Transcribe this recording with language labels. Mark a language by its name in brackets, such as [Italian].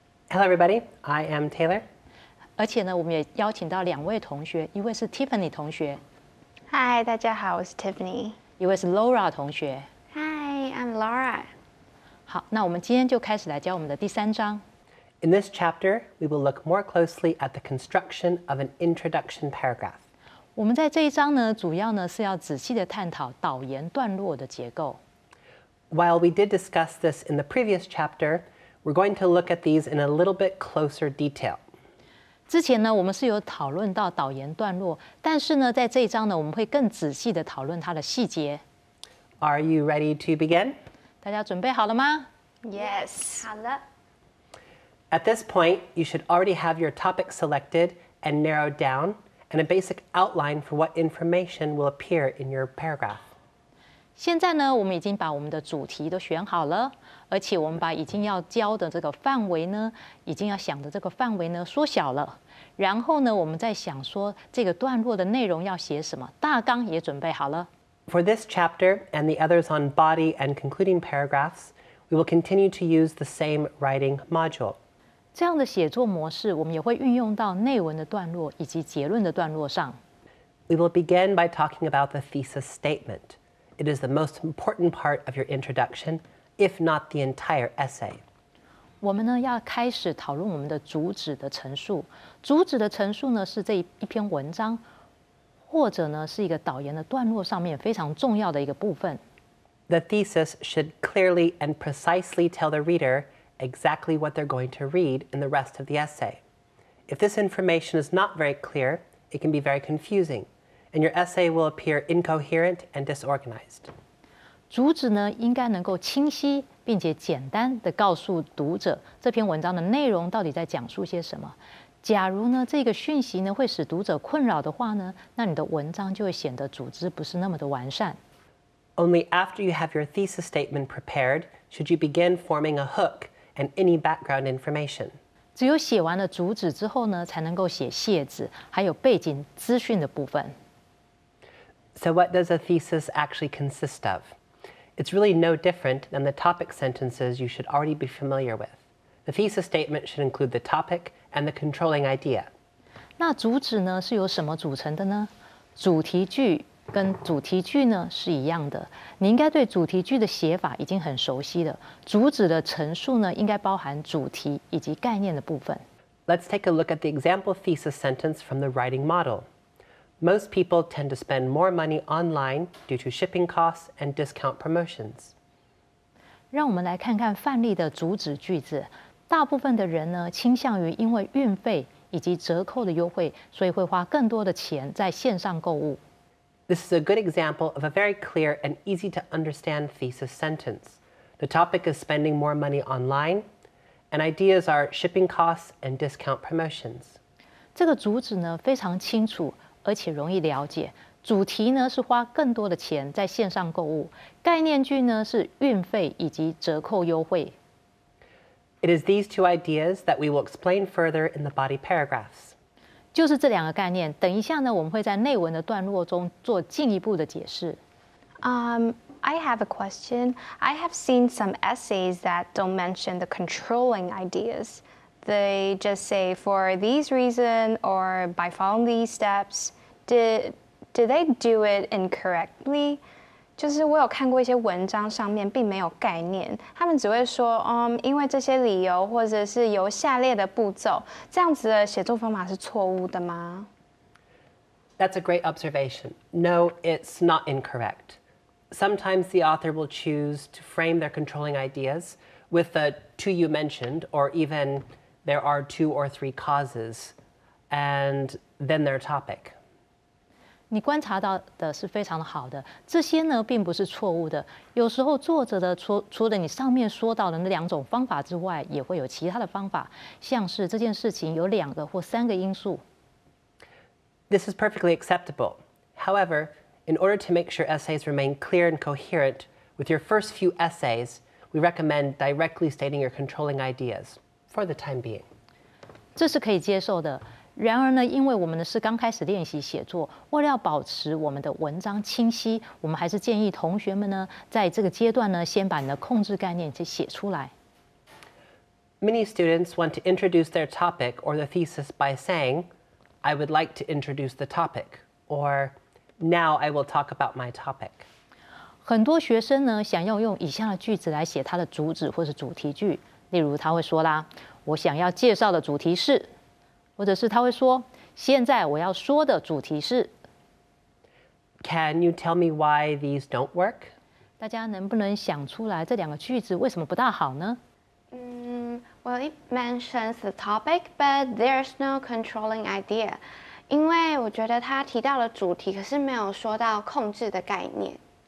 [English] Hello, everybody. I am Taylor. [Chinese] 而且呢，我们也邀请到两位同学，一位是 Tiffany 同学。 Hi, 大家好，我是 Tiffany。一位是 Laura 同学。 [English] Hi, I'm Laura. [Chinese] 好，那我们今天就开始来教我们的第三章。 [English] In this chapter, we will look more closely at the construction of an introduction paragraph. [Chinese] 我们在这一章呢，主要呢是要仔细的探讨导言段落的结构。 [English] While we did discuss this in the previous chapter, we're going to look at these in a little bit closer detail. [Chinese] 之前呢，我们是有讨论到导言段落，但是呢，在这一章呢，我们会更仔细的讨论它的细节。 [English] Are you ready to begin? [Chinese] 大家准备好了吗？ [English] Yes. [Chinese] 好了。 [English] At this point, you should already have your topic selected and narrowed down, and a basic outline for what information will appear in your paragraph. [Chinese] 现在呢，我们已经把我们的主题都选好了，而且我们把已经要教的这个范围呢，已经要想的这个范围呢缩小了。然后呢，我们在想说这个段落的内容要写什么，大纲也准备好了。 [English] For this chapter and the others on body and concluding paragraphs,We will continue to use the same writing module. [Chinese] 这样的写作模式，我们也会运用到内文的段落以及结论的段落上。 [English] We will begin by talking about the thesis statement. It is the most important part of your introduction, if not the entire essay. [Chinese] 我们呢要开始讨论我们的主旨的陈述。主旨的陈述呢是这一篇文章，或者呢是一个导言的段落上面非常重要的一个部分。 [English] The thesis should clearly and precisely tell the reader exactly what they're going to read in the rest of the essay. If this information is not very clear, it can be very confusing, and your essay will appear incoherent and disorganized. [Chinese] 主旨呢，应该能够清晰并且简单地告诉读者这篇文章的内容到底在讲述些什么。假如呢，这个讯息呢，会使读者困扰的话呢，那你的文章就会显得组织不是那么的完善。 [English] Only after you have your thesis statement prepared should you begin forming a hook and any background information. [Chinese] 只有写完了主旨之后呢，才能够写谢词，还有背景资讯的部分。 [English] So what does a thesis actually consist of? It's really no different than the topic sentences you should already be familiar with. The thesis statement should include the topic and the controlling idea. [Chinese] 那主旨呢，是由什么组成的呢？主题句。跟主题句呢是一样的，你应该对主题句的写法已经很熟悉了。主旨的陈述呢，应该包含主题以及概念的部分。 [English] Let's take a look at the example thesis sentence from the writing model. Most people tend to spend more money online due to shipping costs and discount promotions. [Chinese] 让我们来看看范例的主旨句子。大部分的人呢，倾向于因为运费以及折扣的优惠，所以会花更多的钱在线上购物。 [English] This is a good example of a very clear and easy to understand thesis sentence. The topic is spending more money online, and ideas are shipping costs and discount promotions. [Chinese] 这个主旨呢非常清楚，而且容易了解。主题呢是花更多的钱在线上购物。概念句呢是运费以及折扣优惠。 [English] It is these two ideas that we will explain further in the body paragraphs. [Chinese] 就是这两个概念，等一下呢，我们会在内文的段落中做进一步的解释。 [English] I have a question. I have seen some essays that don't mention the controlling ideas. They just say for these reasons or by following these steps. Do they do it incorrectly? [Chinese] 就是我有看过一些文章上面并没有概念，他们只会说，因为这些理由或者是由下列的步骤，这样子的写作方法是错误的吗？ [English] That's a great observation. No, it's not incorrect. Sometimes the author will choose to frame their controlling ideas with the two you mentioned, or even there are two or three causes, and then their topic. [Chinese] 你观察到的是非常好的，这些呢并不是错误的。有时候作者的除了你上面说到的那两种方法之外，也会有其他的方法，像是这件事情有两个或三个因素。 [English] This is perfectly acceptable. However, in order to make sure essays remain clear and coherent with your first few essays, we recommend directly stating your controlling ideas for the time being. [Chinese] 这是可以接受的。然而呢，因为我们是刚开始练习写作，为了要保持我们的文章清晰，我们还是建议同学们呢，在这个阶段呢，先把你的控制概念去写出来。 [English] Many students want to introduce their topic or the thesis by saying, I would like to introduce the topic, or now I will talk about my topic. [Chinese] 很多学生呢想要用以下的句子来写他的主旨或是主题句，例如他会说啦，我想要介绍的主题是，或者是他会说，现在我要说的主题是。 [English] Can you tell me why these don't work? [Chinese] 大家能不能想出来这两个句子为什么不大好呢？ [English] Well, it mentions the topic, but there's no controlling idea. [Chinese] 因为我觉得他提到了主题，可是没有说到控制的概念。